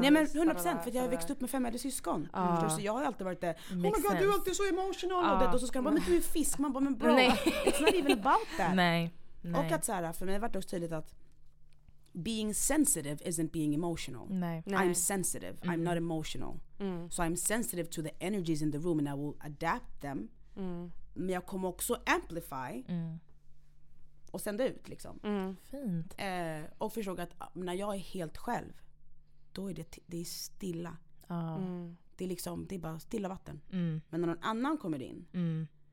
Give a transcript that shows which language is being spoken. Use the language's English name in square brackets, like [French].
[Swedish] Nej, men 100%. För jag har växt upp med 5 äldre syskon. Så jag har alltid varit det. [English] Oh my god, [Swedish] du är alltid så [English] emotional. [Swedish] Och så ska man bara, men du är fisk. Man bara, men bra. [English] It's not even about that. [Swedish] Nej. Och att så här, för mig var det också tydligt att [English] being sensitive isn't being emotional. [Swedish] Nej. [English] I'm sensitive. Mm. I'm not emotional. Mm. So I'm sensitive to the energies in the room and I will adapt them. Mm. [Swedish] Men jag kommer också amplify och sända ut liksom. Mm. Fint. Och försöka att när jag är helt själv, då är det är stilla. Det är liksom, det är bara stilla vatten. Mm. Men när någon annan kommer in,